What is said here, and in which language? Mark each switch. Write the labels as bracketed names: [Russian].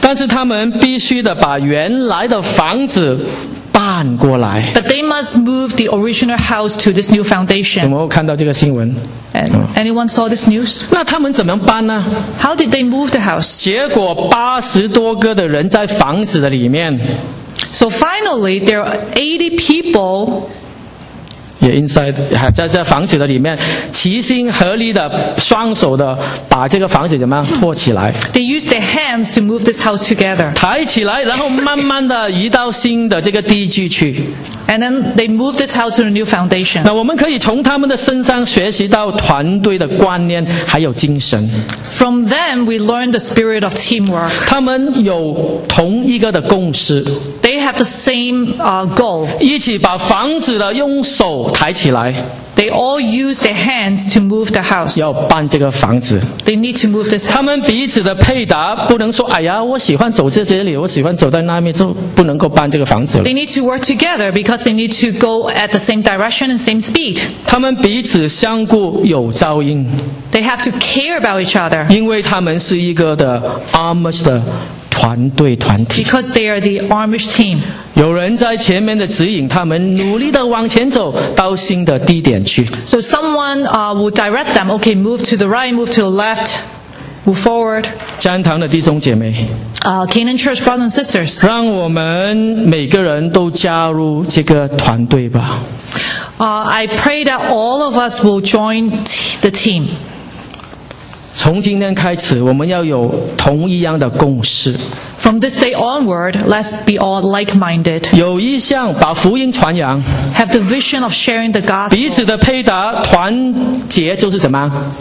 [Chinese] 但是他们必须的把原来的房子搬过来。 [English] But they must move the original house to this new foundation. [Chinese] 有没有看到这个新闻？ [English] Anyone saw this news? [Chinese] 那他们怎么搬呢？ [English] How did they move the house? [Chinese] 结果八十多个的人在房子的里面。 [English] So finally, there are 80 people. [Chinese] 也 [English] inside [Chinese] 还在房子的里面，齐心合力的，双手的把这个房子怎么样拖起来。 [English] They use their hands to move this house together. [Chinese] 抬起来，然后慢慢的移到新的这个地基去。 [English] And then they move this house to a new foundation. [Chinese] 那我们可以从他们的身上学习到团队的观念还有精神。 [English] From them, we learn the spirit of teamwork. [Chinese] 他们有同一个的共识。 [English] They have the same goal. [Chinese] 一起把房子的用手抬起来。 [English] They all use their hands to move the house. [Chinese] 要搬这个房子。 [English] They need to move this house. [Chinese] 他们彼此的配搭不能说，哎呀，我喜欢走在这里，我喜欢走在那边，就不能够搬这个房子了。 [English] They need to work together because they need to go at the same direction and same speed. [Chinese] 他们彼此相顾有照应。 [English] They have to care about each other. [Chinese] 因为他们是一个的 Amish 的团队团体。 [English] Because they are the Amish team. [Chinese] 有人在前面的指引他们努力的往前走到新的地点去。 [English] So someone will direct them, okay, move to the right, move to the left, move forward. [Chinese] 迦南堂的弟兄姐妹。 [English] Canaan Church brothers and sisters. [Chinese] 让我们每个人都加入这个团队吧。 [English] I pray that all of us will join the team. [Chinese] 从今天开始，我们要有同一样的共识。 [English] From this day onward, let's be all like-minded. [Chinese] 有意向把福音传扬。 [English] Have the vision of sharing the gospel. [Chinese] 彼此的配搭，团结就是什么？